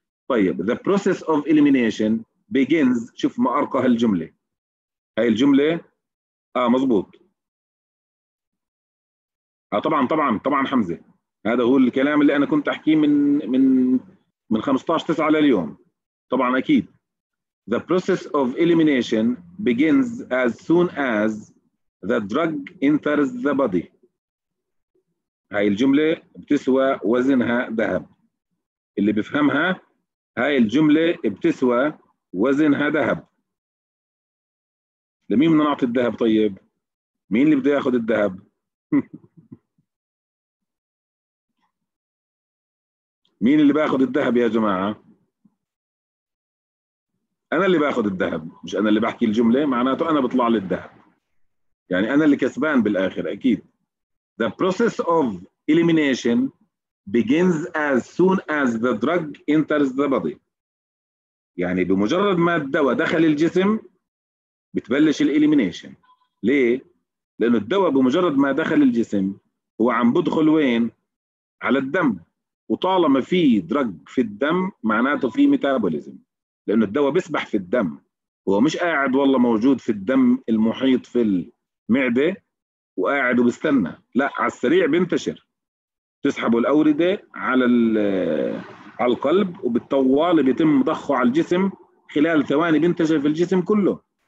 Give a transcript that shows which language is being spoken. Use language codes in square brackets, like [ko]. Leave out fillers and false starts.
[ar] طيب [en] the process of elimination begins، [ar] شوف ما ارقى هالجمله، هاي الجمله مزبوط. طبعا طبعا طبعا حمزه، هذا هو الكلام اللي انا كنت احكيه من 15/9 لليوم. طبعا اكيد [en] the process of elimination begins as soon as the drug enters the body. [ar] هاي الجملة بتسوى وزنها ذهب. اللي بفهمها هاي الجملة بتسوى وزنها ذهب. لمين بدنا نعطي الذهب طيب؟ مين اللي بده ياخذ الذهب؟ مين اللي باخذ الذهب يا جماعة؟ أنا اللي باخذ الذهب، مش أنا اللي بحكي الجملة، معناته أنا بطلع للذهب. يعني أنا اللي كسبان بالآخر أكيد. [en] The process of elimination begins as soon as the drug enters the body. [ar] يعني بمجرد ما الدواء دخل الجسم بتبلش الإليمينيشن. ليه؟ لأنه الدواء بمجرد ما دخل الجسم هو عم بدخل وين؟ على الدم. وطالما في درج في الدم معناته في ميتابوليزم، لأنه الدواء بيسبح في الدم، هو مش قاعد والله موجود في الدم المحيط في المعدة وقاعد وبستنى، لا، على السريع بينتشر، تسحبه الأوردة على القلب وبالطوال بيتم ضخه على الجسم، خلال ثواني بينتشر في الجسم كله.